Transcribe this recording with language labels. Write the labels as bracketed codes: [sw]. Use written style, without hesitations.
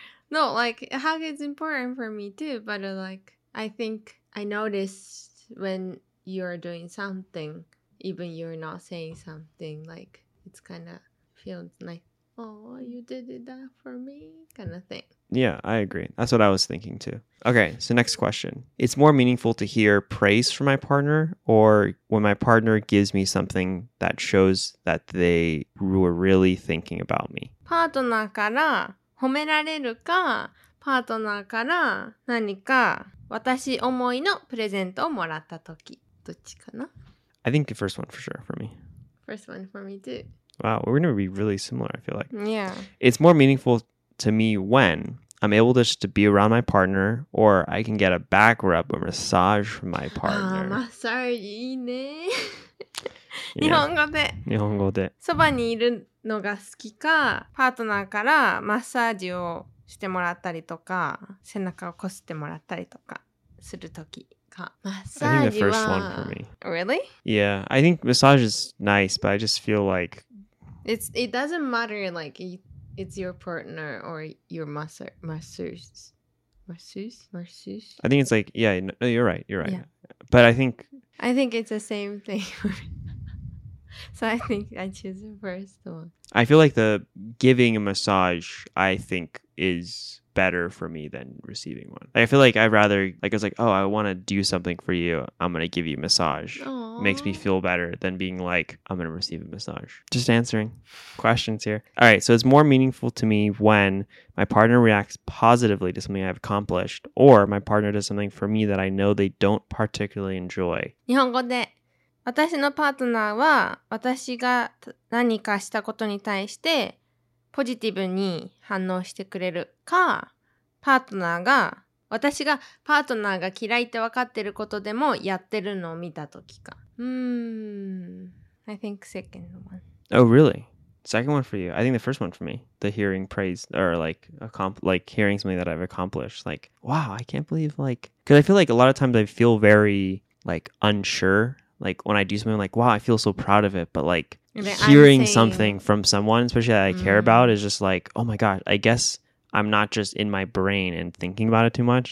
[en] No, like, hug is important for me too, but like, I think I noticed when you're doing something, even you're not saying something, like, it's kind of feels like, oh, you did that for me, kind of thing. Yeah, I agree. That's what I was thinking too. Okay, so next question. It's more meaningful to hear praise from my partner or when my partner gives me something that shows that they were really thinking about me. [ja] パートナーから褒められるか、パートナーから何か私思いのプレゼントをもらったとき、どっちかな? [en] I think the first one for sure for me. First one for me too. Wow, we're going to be really similar, I feel like. Yeah. It's more meaningful to me when I'm able just to be around my partner or I can get a back rub or massage from my partner. [ja] Ah, massage いいね。日本語で。日本語で。そばにいるのが好きか、パートナーからマッサージをしてもらったりとか、背中をこすってもらったりとかするときか。マッサージは… [en] I think the first one for me. Really? Yeah, I think massage is nice, but I just feel like… It doesn't matter, like, it's your partner or your masseuse? I think it's like, yeah, no, you're right. Yeah. But I think it's the same thing for me. So I think I choose the first one. I feel like the giving a massage, I think, is better for me than receiving one. I feel like I'd rather, like, I was like, oh, I want to do something for you. I'm going to give you a massage. Aww. Makes me feel better than being like, I'm going to receive a massage. Just answering questions here. All right, so it's more meaningful to me when my partner reacts positively to something I've accomplished or my partner does something for me that I know they don't particularly enjoy. [ja] 日本語で私のパートナーは私が何かしたことに対してポジティブに反応してくれるか、パートナーが私がパートナーが嫌いって分かってることでもやってるのを見たときか。 [en] I think second one. Oh, really? Second one for you. I think the first one for me. The hearing praise or like, hearing something that I've accomplished. Like, wow, I can't believe like... Because I feel like a lot of times I feel very like unsure. Like, when I do something, like, wow, I feel so proud of it. But, like, hearing something from someone, especially that I care about, is just like, oh, my God, I guess I'm not just in my brain and thinking about it too much.